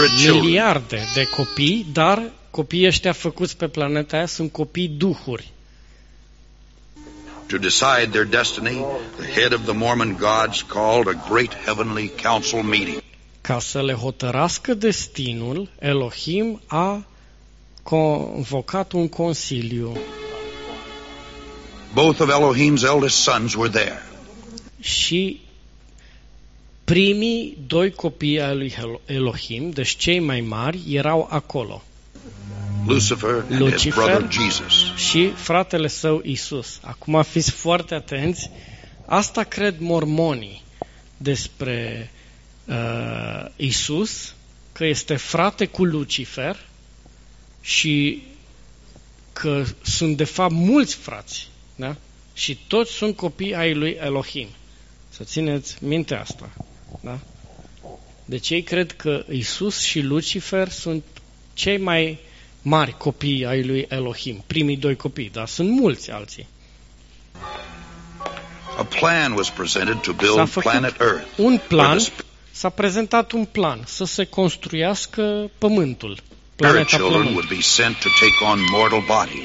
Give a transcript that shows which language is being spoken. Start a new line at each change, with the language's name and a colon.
Romanian: Miliarde de copii, dar copiii ăștia făcuți pe planeta aia sunt copii duhuri.
English: To decide their destiny, the head of the Mormon gods called a great heavenly council meeting.
Romanian: Ca să le hotărască destinul, Elohim a convocat un consiliu.
English: Both of Elohim's eldest sons were there.
Romanian: Și primii doi copii ai lui Elohim, deci cei mai mari, erau acolo.
English: Lucifer and his brother Jesus.
Romanian: Și fratele său Isus. Acum fiți foarte atenți. Asta cred mormonii despre Isus, că este frate cu Lucifer și că sunt de fapt mulți frați, da? Și toți sunt copii ai lui Elohim. Să țineți minte asta, da? Deci ei cred că Isus și Lucifer sunt cei mai mari copii ai lui Elohim, primii doi copii, dar sunt mulți alții.
English: A plan was presented to build planet Earth.
Romanian: Un plan s-a prezentat un plan să se construiască pământul, planeta Pământ.